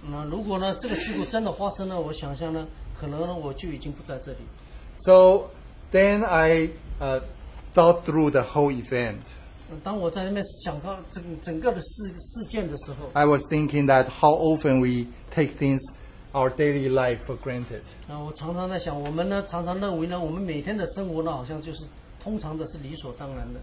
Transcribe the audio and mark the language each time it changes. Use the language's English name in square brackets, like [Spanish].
[Chinese] 如果呢，这个事故真的发生了，我想象呢，可能呢，我就已经不在这里。 [English] So then I thought through the whole event. [Chinese] 当我在那边想到整个的事件的时候， [English] I was thinking that how often we take things our daily life for granted. [Chinese] 我常常在想，我们呢，常常认为呢，我们每天的生活呢，好像就是通常的是理所当然的。